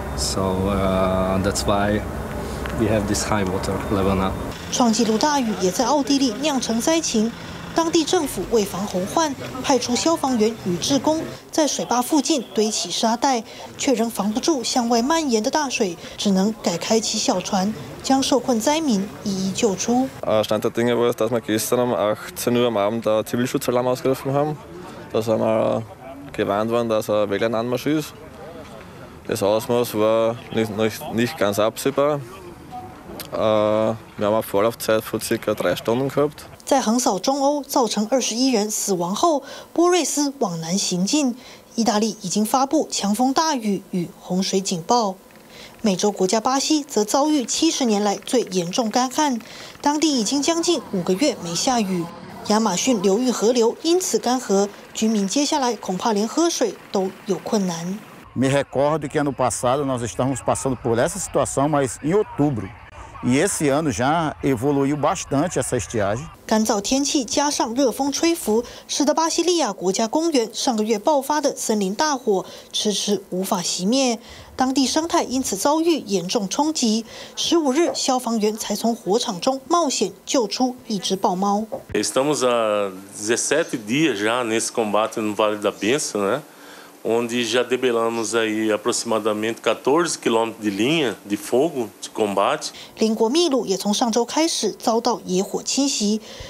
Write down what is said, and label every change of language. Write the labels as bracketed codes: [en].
[en] So that's why we have this high water level now. [zh] 创纪录大雨也在奥地利酿成灾情。当地政府为防洪患，派出消防员与志工在水坝附近堆起沙袋，却仍防不住向外蔓延的大水，只能改开起小船，将受困灾民一一救出。 [de] Stand der Dinge war, dass wir gestern um 18 Uhr am Abend der Zivilschutzalarm ausgerufen haben, dass einmal gewarnt worden, dass ein WLAN-Anmarsch ist. Das Ausmaß war nicht ganz absehbar. Wir haben eine Vorlaufzeit von ca. 3 Stunden gehabt. [zh] 在横扫中欧造成21人死亡后，波瑞斯往南行进，意大利已经发布强风大雨与洪水警报。美洲国家巴西则遭遇70年来最严重干旱，当地已经将近5个月没下雨，亚马逊流域河流因此干涸，居民接下来恐怕连喝水都有困难。 [pt] Me recordo que ano passado nós estávamos passando por essa situação, mas em outubro. E esse ano já evoluiu bastante essa estiagem. [zh] 干燥天气加上热风吹拂，使得巴西利亚国家公园上个月爆发的森林大火迟迟无法熄灭。当地生态因此遭遇严重冲击。15日，消防员才从火场中冒险救出一只豹猫。 [pt] Estamos há 17 dias já nesse combate no Vale da Benção, né? Onde já debelamos aí aproximadamente 14 quilômetros de linha de fogo de combate. [zh] 邻国秘鲁也从上周开始遭到野火侵袭。